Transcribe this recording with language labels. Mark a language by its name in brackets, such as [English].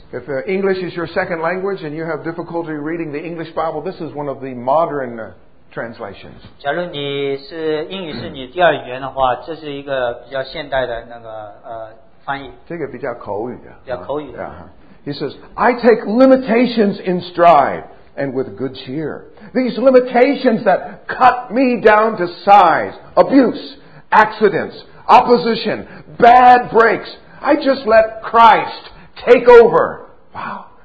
[English] If English is your second language and you have difficulty reading the English Bible, this is one of the modern translations. [Chinese] 假如你是英语是你第二语言的话, 这是一个比较现代的那个翻译。这个比较口语的。比较口语的。 [English] Yeah. He says, I take limitations in stride and with good cheer. These limitations that cut me down to size, abuse, accidents, opposition, bad breaks, I just let Christ take over. Wow.